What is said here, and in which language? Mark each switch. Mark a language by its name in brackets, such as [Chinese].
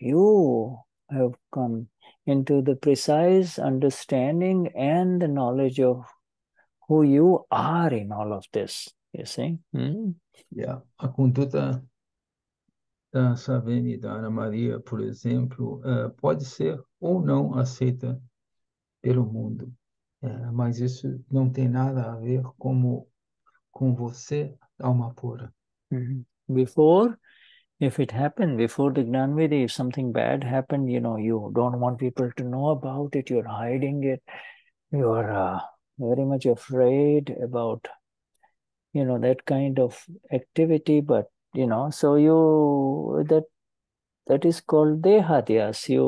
[English] You have come into the precise understanding and the knowledge of who you are in all of this, you see. [Portuguese] A conduta da Saveni e da Ana Maria, por exemplo, pode ser ou não aceita pelo mundo, mas isso não tem nada a ver com você, alma pura. [English] Before, if it happened, before the Gnanvedi, if something bad happened, you don't want people to know about it, you're hiding it, you're very much afraid about, that kind of activity, but, so that is called Dehadyas.